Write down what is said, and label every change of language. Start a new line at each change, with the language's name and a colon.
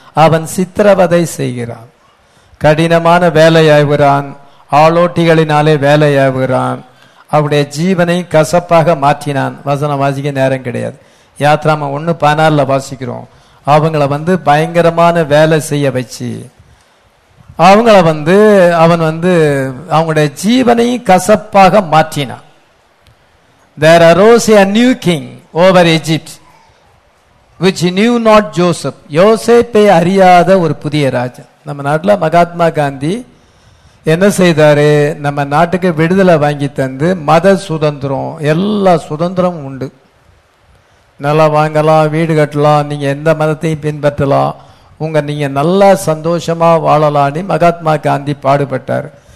Tamil: அவன் சித்திரவதை செய்கிறான், கடினமான வேலையாகுகிறான், ஆளோட்டிகளினாலே வேலையாகுகிறான், அவருடைய ஜீவனை கசப்பாக மாற்றினான். வசனம் வாசிக்க நேரம் கிடையாது, யாத்திராம 1:16 வாசிக்கிறோம். அவங்கள வந்து பயங்கரமான வேலை செய்ய வச்சு அவங்கள வந்து அவன் வந்து அவங்களுடைய ஜீவனை கசப்பாக மாற்றினான்.
English: There arose a new king over Egypt which knew not Joseph.
Tamil: யோசேப்பை அறியாத ஒரு புதிய ராஜா. நம்ம நாட்டில் மகாத்மா காந்தி என்ன செய்தாரு, நம்ம நாட்டுக்கு விடுதலை வாங்கி தந்து மத சுதந்திரம் எல்லா சுதந்திரமும் உண்டு, நல்லா வாங்கலாம், வீடு கட்டலாம், நீங்கள் எந்த மதத்தையும் பின்பற்றலாம், உங்க நீங்க நல்லா சந்தோஷமா வாழலாம்னு மகாத்மா காந்தி பாடுபட்டார்.